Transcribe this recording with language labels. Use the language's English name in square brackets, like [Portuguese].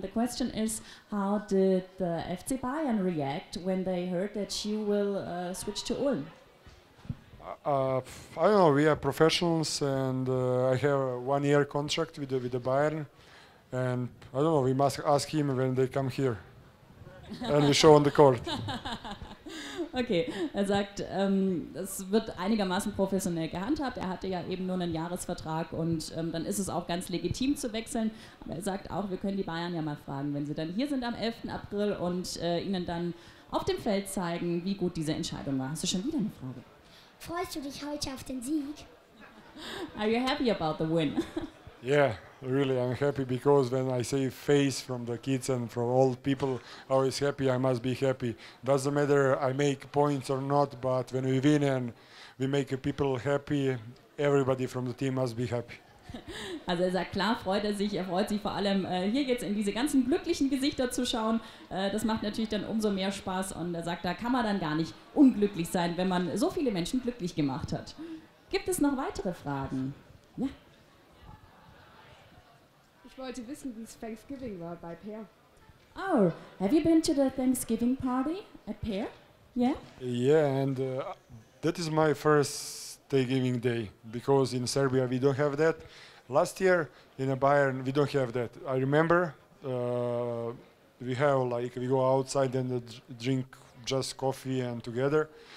[English] The question is, how did the FC Bayern react when they heard that you will switch to Ulm? I don't know. We are professionals, and I have a one-year contract with the Bayern. And I don't know. We must ask him when they come here, and we show on the court. [German] Okay, er sagt, es wird einigermaßen professionell gehandhabt. Er hatte ja eben nur einen Jahresvertrag und dann ist es auch ganz legitim zu wechseln. Aber er sagt auch, wir können die Bayern ja mal fragen, wenn sie dann hier sind am 11. April und ihnen dann auf dem Feld zeigen, wie gut diese Entscheidung war. Hast du schon wieder eine Frage? Freust du dich heute auf den Sieg? [English] Are you happy about the win? Yeah, really, I'm happy because when I see face from the kids and from old people, always happy, I must be happy. Doesn't matter I make points or not, but when we win and we make people happy, everybody from the team must be happy. [German] Also er sagt, klar freut er sich. Er freut sich vor allem, hier jetzt in diese ganzen glücklichen Gesichter zu schauen. Das macht natürlich dann umso mehr Spaß. Und er sagt, da kann man dann gar nicht unglücklich sein, wenn man so viele Menschen glücklich gemacht hat. Gibt es noch weitere Fragen? Ja. Ich wollte wissen, wie es Thanksgiving war bei Peer. [English] Oh, have you been to the Thanksgiving party at Peer? Yeah? Yeah, and that is my first Thanksgiving day, because in Serbia we don't have that. Last year in Bayern we don't have that. I remember we go outside and drink just coffee and together.